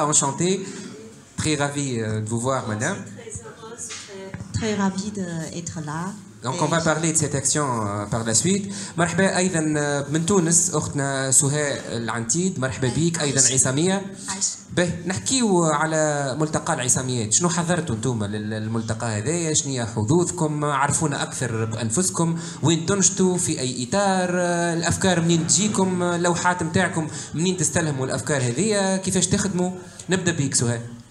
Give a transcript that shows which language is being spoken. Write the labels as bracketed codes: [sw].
[fr] انشانتي، تري غافي دو فوار مدام، تري غافي اتر لا. Donc on va parler de cette action par la suite. [ar] مرحبا ايضا من تونس اختنا سهاء العنتيد، مرحبا بك. ايضا عصاميه، باه نحكيو على ملتقى العصاميات. شنو حضرتوا انتم للملتقى هذايا؟ شنو هي حظوظكم؟ عرفونا اكثر بانفسكم، وين تنشطوا، في اي اطار، الافكار منين تجيكم، اللوحات نتاعكم منين تستلهموا الافكار هذيا، كيفاش تخدموا؟ نبدا بك سهاء.